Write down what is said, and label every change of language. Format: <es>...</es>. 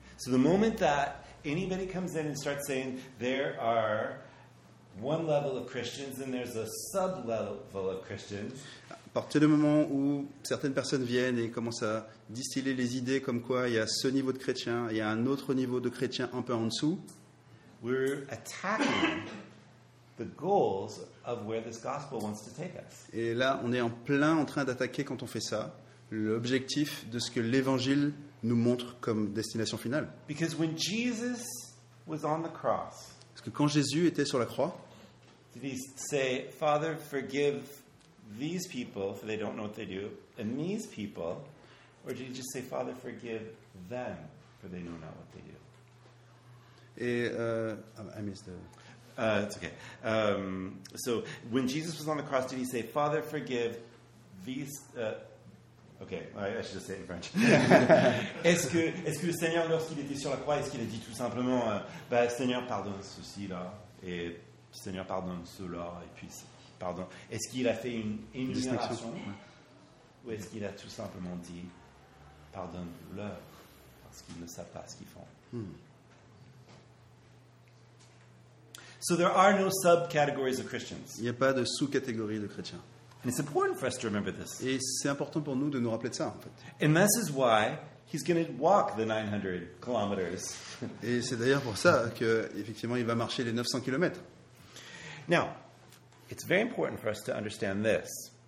<en>So the moment that anybody comes in and starts saying there are one level of Christians and there's a sub-level of Christians.</en> <fr>À partir du moment où certaines personnes viennent et commencent à distiller les idées comme quoi il y a ce niveau de chrétien, il y a un autre niveau de chrétien un peu en dessous.</fr> <en>We're attacking the goals of where this gospel wants to take us.</en> <fr>Et là, on est en plein en train d'attaquer quand on fait ça. L'objectif de ce que l'évangile nous montre comme destination finale.</fr> <en>Because when Jesus was on the cross,</en> <fr>parce que quand Jésus était sur la croix,</fr> <en>did he say, Father, forgive these people for they don't know what they do, and these people, or did he just say, Father, forgive them for they know not what they do? Et I missed the. It's okay. So when Jesus was on the cross, did he say, Father, forgive these? Okay, I should just say it in French.</en> <fr>est-ce que le Seigneur, lorsqu'il était sur la croix, est-ce qu'il a dit tout simplement, Seigneur, pardonne ceci-là, et Seigneur, pardonne cela, et puis, pardon. Est-ce qu'il a fait une énumération, ou est-ce qu'il a tout simplement dit, pardonne-leur, parce qu'ils ne savent pas ce qu'ils font.</fr> <en>So there are no subcategories of Christians.</en> <fr>Il n'y a pas de sous-catégorie de chrétiens.</fr> <en>And it's important for us to remember this.</en> <fr>Et c'est important pour nous de nous rappeler de ça, en fait.</fr> <en>And this is why he's going to walk the 900 kilometers.</en> <fr>Et c'est d'ailleurs pour ça que effectivement il va marcher les 900 kilomètres.</fr> <en>Now, it's very important for us to understand this.</en>